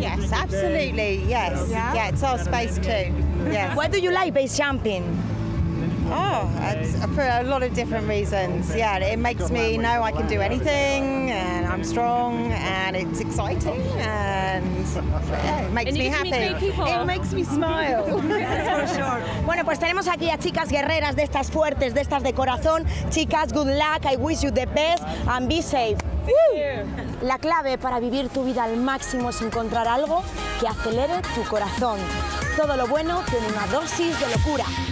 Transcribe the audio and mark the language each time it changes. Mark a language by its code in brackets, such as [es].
[en] Yes, absolutely. Yes. Yeah, it's our space too. Yes. What do you like base jumping? Oh, for a lot of different reasons. Yeah, it makes me know I can do anything, and I'm strong, and it's exciting, and it makes and me happy. It makes me smile. Yes, for sure. [es] Bueno, pues tenemos aquí a chicas guerreras, de estas fuertes, de estas de corazón. Chicas, [en] good luck. I wish you the best, and be safe. [es] La clave para vivir tu vida al máximo es encontrar algo que acelere tu corazón. Todo lo bueno tiene una dosis de locura.